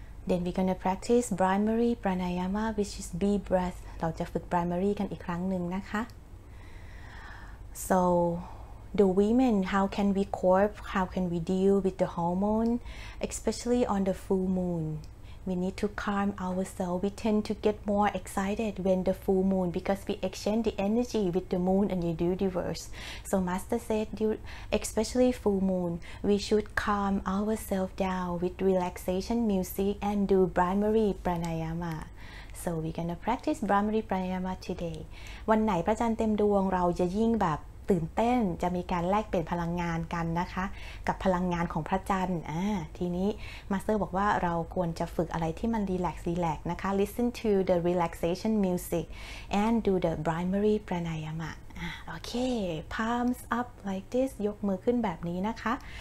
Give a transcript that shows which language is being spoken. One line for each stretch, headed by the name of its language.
English: Then we're gonna practice primary pranayama which is B breath
Thai: เราจะฝึก primary กันอีกครั้งหนึ่งนะคะ
English: So the women how can we cope how can we deal with the hormone especially on the full moonWe need to calm ourselves. We tend to get more excited when the full moon because we exchange the energy with the moon and the universe. So Master said, especially full moon, we should calm ourselves down with relaxation music and do primary pranayama. So we're gonna practice primary pranayama today.
Thai: วันไหนพระจันทร์เต็มดวงเราจะยิ่งแบบตื่นเต้นจะมีการแลกเปลี่ยนพลังงานกันนะคะกับพลังงานของพระจันทร์ทีนี้มาสเตอร์บอกว่าเราควรจะฝึกอะไรที่มันรีแลกซ์นะคะ
English: listen to the relaxation music and do the primary pranayama
Thai: โอเค
English: palms up like this
Thai: ยกมือขึ้นแบบนี้นะคะ